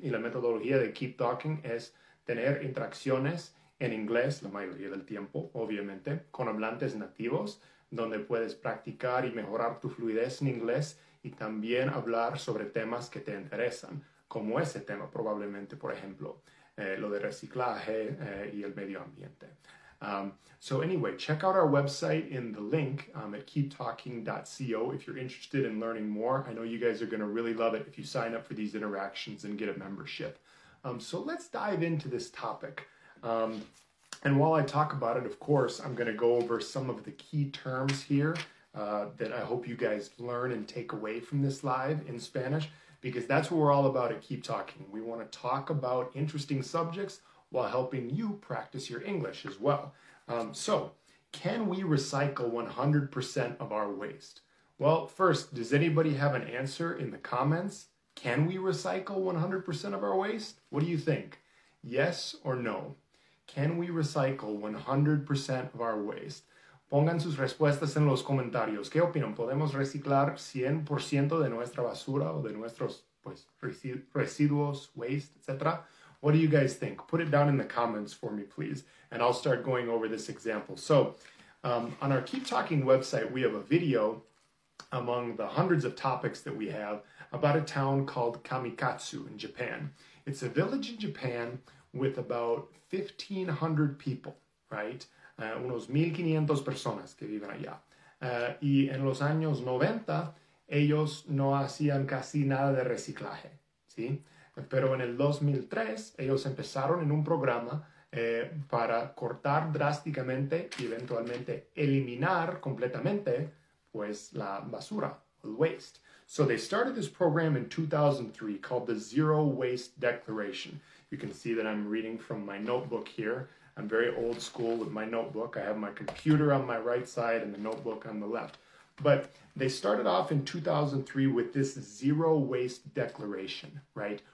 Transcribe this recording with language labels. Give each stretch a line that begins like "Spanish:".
Spanish: Y la metodología de Keep Talking es tener interacciones en inglés la mayoría del tiempo, obviamente, con hablantes nativos, donde puedes practicar y mejorar tu fluidez en inglés y también hablar sobre temas que te interesan, como ese tema, probablemente, por ejemplo, lo de reciclaje y el medio ambiente.
English: So anyway, check out our website in the link at keeptalking.co if you're interested in learning more. I know you guys are going to really love it if you sign up for these interactions and get a membership. So let's dive into this topic. And while I talk about it, of course, I'm going to go over some of the key terms here that I hope you guys learn and take away from this live in Spanish, because that's what we're all about at Keep Talking. We want to talk about interesting subjects while helping you practice your English as well. So can we recycle 100% of our waste? Well, first, does anybody have an answer in the comments? Can we recycle 100% of our waste? What do you think? Yes or no? Can we recycle 100% of our waste?
Spanish: Pongan sus respuestas en los comentarios. ¿Qué opinan? ¿Podemos reciclar 100% de nuestra basura o de nuestros residuos, waste, etcétera?
English: What do you guys think? Put it down in the comments for me, please, and I'll start going over this example. So on our Keep Talking website, we have a video among the hundreds of topics that we have about a town called Kamikatsu in Japan. It's a village in Japan with about 1,500 people, right?
Spanish: Unos 1,500 personas que viven allá. Y en los años 90, ellos no hacían casi nada de reciclaje, ¿sí? Pero en el 2003, ellos empezaron en un programa para cortar drásticamente y eventualmente eliminar completamente, pues, la basura, el waste.
English: So they started this program in 2003 called the Zero Waste Declaration. You can see that I'm reading from my notebook here. I'm very old school with my notebook. I have my computer on my right side and the notebook on the left. But they started off in 2003 with this Zero Waste Declaration, right?